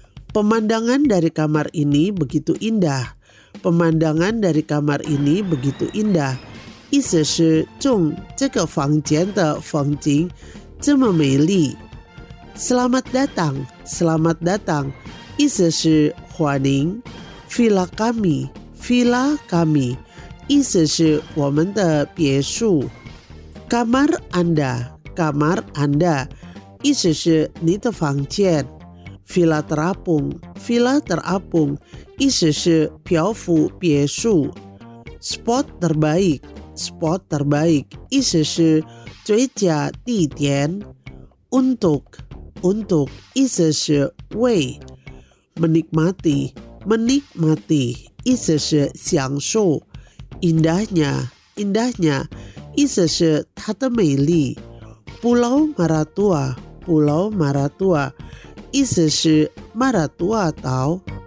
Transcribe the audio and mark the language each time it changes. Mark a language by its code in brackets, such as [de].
[id] Pemandangan dari kamar ini begitu indah， pemandangan dari kamar ini begitu indah [zh] 意思是从这个房间的风景这么美丽。 [id] Selamat datang， selamat datang [zh] 意思是欢迎。 [id] Villa kami， villa kami [zh] 意思是我们的别墅。 [id] Kamar anda， kamar anda [zh] 意思是你的房间。 [id] Villa terapung， villa terapung [zh] 意思是漂浮别墅。 [id] Spot terbaik， spot terbaik [zh] 意思是最佳地点。 [id] Untuk， untuk [zh] 意思是为。 [id] Menikmati， menikmati [zh] 意思是享受。 [id] Indahnya， indahnya [zh] 意思是它的美丽。 [id] Pulau Maratua， Pulau Maratua [zh] 意思是马拉杜瓦岛。